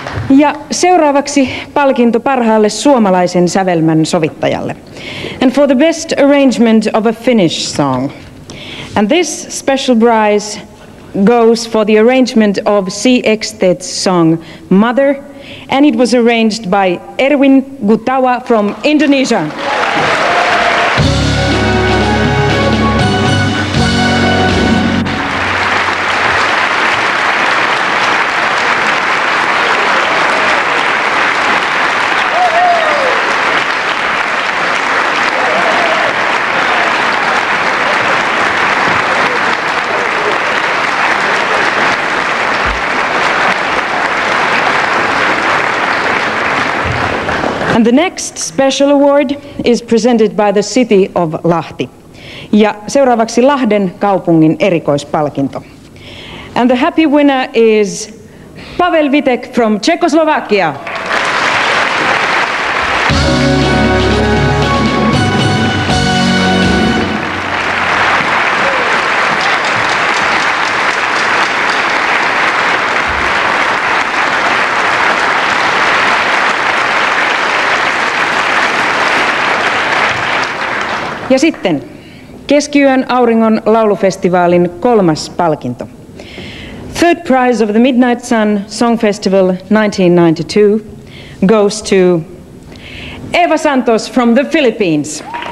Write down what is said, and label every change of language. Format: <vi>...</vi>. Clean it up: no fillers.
<fi>Ja seuraavaksi palkinto parhaalle suomalaisen sävelmän sovittajalle.</fi> <en>And for the best arrangement of a Finnish song. And this special prize goes for the arrangement of C. Ekstedt's song Mother, and it was arranged by Erwin Gutawa from Indonesia. And the next special award is presented by the city of Lahti.</en> <fi>Ja seuraavaksi Lahden kaupungin erikoispalkinto.</fi> <en>And the happy winner is Pavel Vitek from Czechoslovakia.</en> <fi>Ja sitten keskiyön auringon laulufestivaalin kolmas palkinto.</fi> <en>Third prize of the Midnight Sun Song Festival 1992 goes to Eva Santos from the Philippines.</en>